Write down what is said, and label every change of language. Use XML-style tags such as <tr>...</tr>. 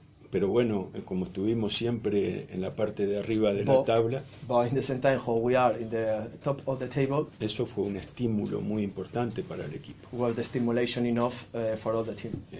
<es>Pero bueno, como estuvimos siempre en la parte de arriba de la tabla.</es> <en>But in the same time, how we are in the top of the table.</en> <es>Eso fue un estímulo muy importante para el equipo.</es> <en>Was the stimulation enough for all the team.</en>